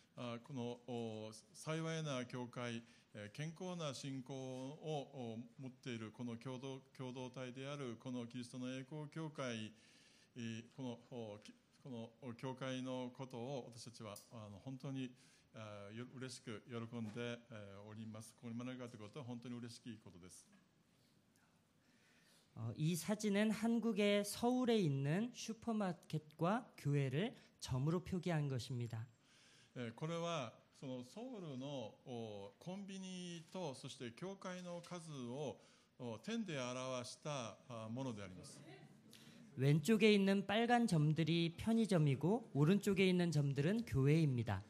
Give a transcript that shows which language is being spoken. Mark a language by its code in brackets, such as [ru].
[ja] この幸いな教会、健康な信仰を持っているこの共同体であるこのキリストの栄光教会、この教会のことを私たちは本当に嬉しく喜んでおります。ここに招かれたことは本当に嬉しいことです。 [ko] 이사진은한국의서울에있는슈퍼마켓과교회를점으로표기한것입니다。 [ja] これはそのソウルのコンビニと、そして教会の数を点で表したものであります。 [ko] 왼쪽에있는빨간점들이편의점이고오른쪽에있는점들은교회입니다。